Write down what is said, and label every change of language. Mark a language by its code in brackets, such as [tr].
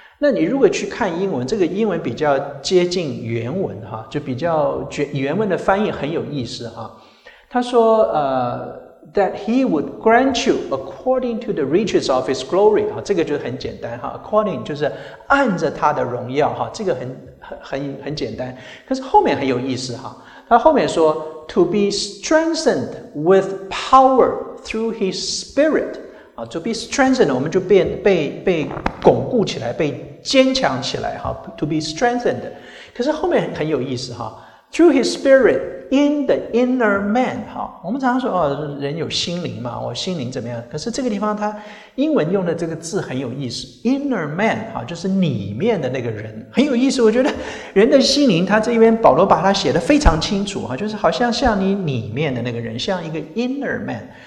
[zh] 那你如果去看英文，这个英文比较接近原文哈，就比较原文的翻译很有意思哈。他说 [en] that he would grant you according to the riches of his glory， [zh] 这个就很简单， according 就是按着他的荣耀，这个很简单。可是后面很有意思，他后面说 [en] to be strengthened with power through His Spirit. To be strengthened, [zh] 我们就 被巩固起来，被坚强起来。 [en] To be strengthened. [zh] 可是后面 很有意思。 [en] Through His Spirit in the inner man. [zh] 我们常常说、哦、人有心灵嘛，我心灵怎么样。可是这个地方他英文用的这个字很有意思。 Inner man, 就是里面的那个人。很有意思，我觉得人的心灵他这边保罗把它写得非常清楚。就是好像像你里面的那个人，像一个 inner man。